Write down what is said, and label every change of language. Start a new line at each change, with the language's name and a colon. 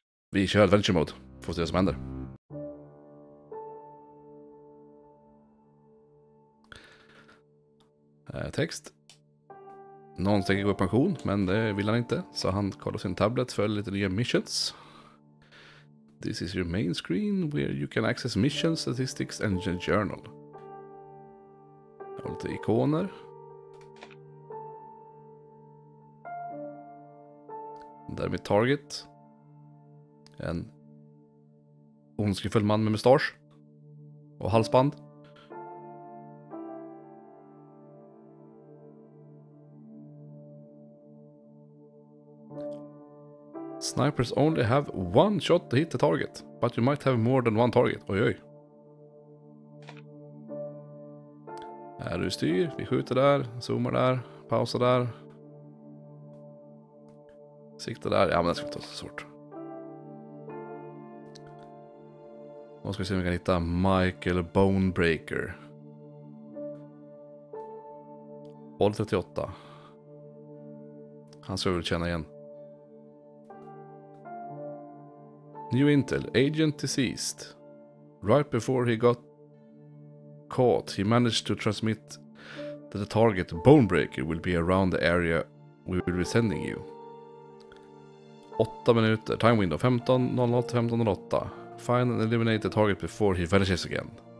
Swedish: Vi kör Adventure Mode, får se vad som händer. Text. Någon tänker gå i pension, men det vill han inte. Så han kollar sin tablet för lite nya missions.
English: This is your main screen where you can access missions, statistics and journal.
Swedish: Jag har lite ikoner. Där är mitt target. En ondskefull man med mustasch. Och halsband.
English: Snipers only have one shot to hit the target, but you might have more than one target. Oj, oj.
Swedish: Här är du styr, vi skjuter där, zoomar där, pausar där. Sikta där, ja men det ska inte vara så svårt. Nu ska vi se om vi kan hitta Michael Bonebreaker. Håll 38. Han ska vi väl känna igen.
English: New Intel, agent deceased. Right before he got caught, he managed to transmit that the target Bonebreaker will be around the area we will be sending you.
Swedish: 8 minuter,
English: time window 15:00 to 15:08. Find and eliminate the target before he vanishes again.